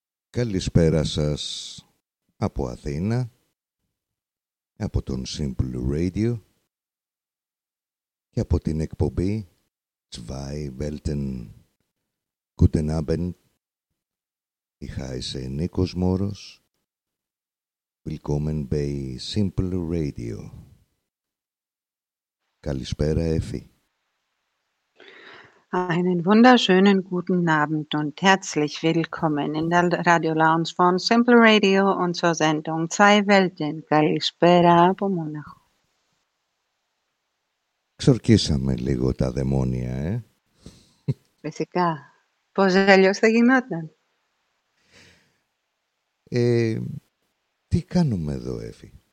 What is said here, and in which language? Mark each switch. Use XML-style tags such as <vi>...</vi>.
<el>Καλησπέρα σας από Αθήνα, από τον Simple Radio και από την εκπομπή Zwei Welten</el> <de>Guten Abend.</de> <el>Είχα είσαι Νίκος Μόρος.</el> <de>Willkommen bei Simple Radio.</de> <el>Καλησπέρα Έφη.</el> <de>Einen wunderschönen guten Abend und herzlich willkommen in der Radio Lounge von Simple Radio und zur Sendung Zwei Welten.</de> <el>Kalispera από Μόναχο. Ξορκίσαμε λίγο τα δαιμόνια, ε. Φυσικά. Πώς αλλιώς θα γινόταν. Τι κάνουμε εδώ, Έφη.</el>